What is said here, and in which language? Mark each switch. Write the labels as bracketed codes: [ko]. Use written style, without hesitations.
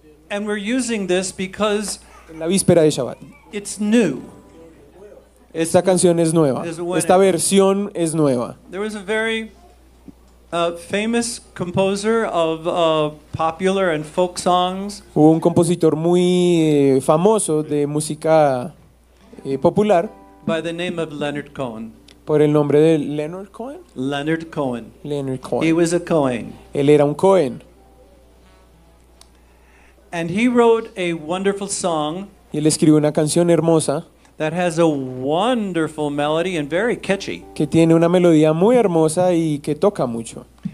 [en] And we're using this because [es] en la víspera de Shabbat. [en] It's new. [es] Esta canción es nueva. Esta versión es nueva. [en] There was a very famous composer of popular and folk songs. [es] Hubo un compositor muy famoso de música popular. [en] By the name of Leonard Cohen. [es] Por el nombre de Leonard Cohen. [en] Leonard Cohen. Leonard Cohen. He was a Cohen. [es] Él era un Cohen. [en] And he wrote a wonderful song. [es] Y él escribió una canción hermosa. [en] that has a wonderful melody and very catchy. [es] Que tiene una melodía muy hermosa y que toca mucho.